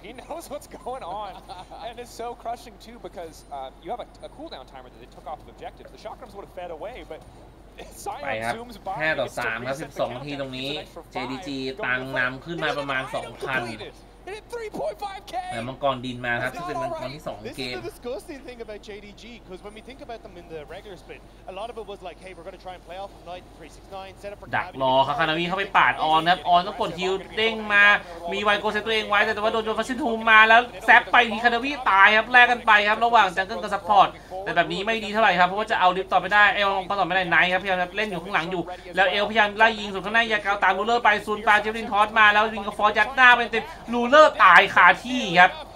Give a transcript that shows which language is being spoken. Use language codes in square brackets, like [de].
[en] He knows what's going on, and it's so crushing too because you have a cooldown timer that they took off of objectives. The shockers would have fed away, but [th] ไปครับแค่ต่อ3ครับ12นาทีตรงนี้ JDG ตังนำขึ้นมาประมาณ 2,000 3.5k มังกรดินมาครับที่เป็นมังกรที่2เกม [en] This is the disgusting thing about JDG because when we think about them in the regular split a lot of it was like hey we're going to try and play off of night 369 set up for [th] ดักรอคาคานามิเข้าไปปาดออนครับออนต้องกดฮิลเด้งมามีไวโกเซตตัวเองไว้แต่ว่าโดนโยฟาซินทูมมาแล้วแซปไปที่คาคานามิตายครับแลกกันไปครับระหว่างจังเกิลกับซัพพอร์ตแต่แบบนี้ไม่ดีเท่าไหร่ครับเพราะว่าจะเอาดิฟต่อไปได้เอลก็ต่อไม่ได้ไนท์ครับพยายามจะเล่นอยู่ข้างหลังอยู่แล้วเอลพยายามไล่ยิงสุดข้างหน้ายากาวตามรูเลอร์ไปซูนปาเจฟรินทอสมาแล้ววิงกับฟอร์ยัดหน้าเป็นเต็มรูเลอร์ตายคาที่ครับ